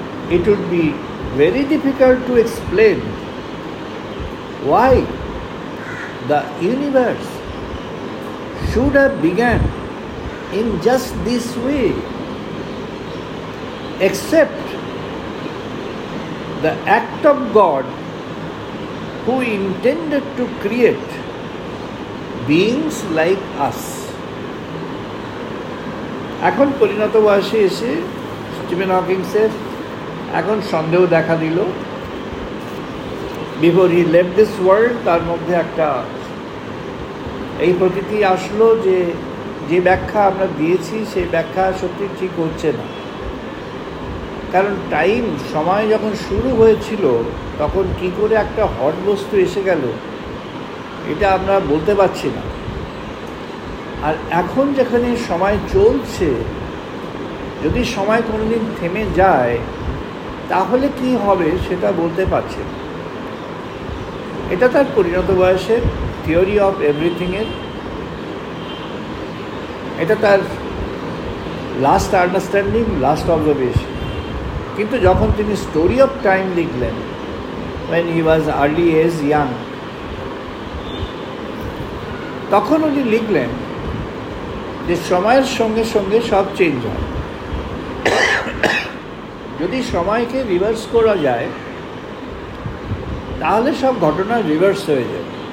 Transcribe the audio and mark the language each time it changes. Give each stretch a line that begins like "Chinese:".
English: It would be very difficult to explain why the universe should have begun in just this way, except the act of God who intended to create beings like us.
Bangla: এখন পরিণত বয়সে এসে Steven হকিংসের এখন সন্দেহ দেখা দিল,
English: before he left this world
Bangla: তার মধ্যে একটা এই প্রকৃতি আসলো যে যে ব্যাখ্যা আমরা দিয়েছি সেই ব্যাখ্যা সত্যি ঠিক হচ্ছে না, কারণ টাইম সময় যখন শুরু হয়েছিল তখন কী করে একটা হট বস্তু এসে গেল এটা আমরা বলতে পারছি না, আর এখন যেখানে সময় চলছে যদি সময় কোনো দিন থেমে যায় তাহলে কী হবে সেটা বলতে পারছি না। এটা তার পরিণত বয়সের থিওরি অফ এভরিথিংয়ের, এটা তার লাস্ট আন্ডারস্ট্যান্ডিং, লাস্ট অবজারভেশন। কিন্তু যখন তিনি স্টোরি অফ টাইম লিখলেন
English: when he was early as young.
Bangla: তখন উনি লিখলেন যে সময়ের সঙ্গে সঙ্গে সব চেঞ্জ হয়। যদি সময়কে রিভার্স করা যায় তাহলে সব ঘটনা রিভার্স হয়ে যাবে।